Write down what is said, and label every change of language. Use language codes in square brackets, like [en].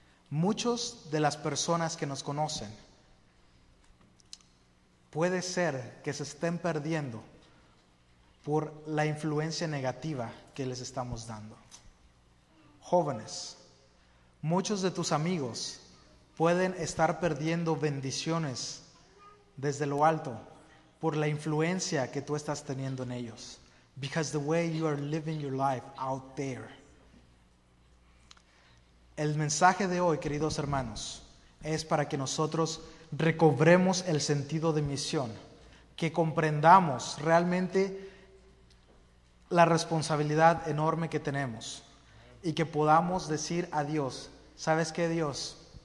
[es] Muchos de las personas que nos conocen, puede ser que se estén perdiendo por la influencia negativa que les estamos dando. Jóvenes, muchos de tus amigos pueden estar perdiendo bendiciones desde lo alto por la influencia que tú estás teniendo en ellos. [en] Because the way you are living your life out there. [es] El mensaje de hoy, queridos hermanos, es para que nosotros recobremos el sentido de misión, que comprendamos realmente la responsabilidad enorme que tenemos y que podamos decir a Dios, ¿sabes qué, Dios?